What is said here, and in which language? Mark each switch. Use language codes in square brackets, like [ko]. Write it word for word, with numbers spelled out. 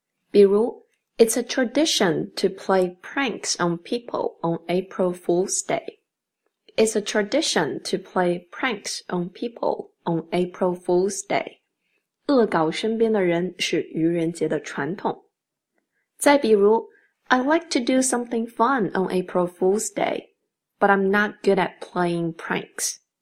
[zh] 比如 [en] it's a tradition to play pranks on people on April Fool's Day. It's a tradition to play pranks on people on April Fool's Day. [zh] 恶搞身边的人是愚人节的传统。再比如 [en] I like to do something fun on April Fool's Day, but I'm not good at playing pranks.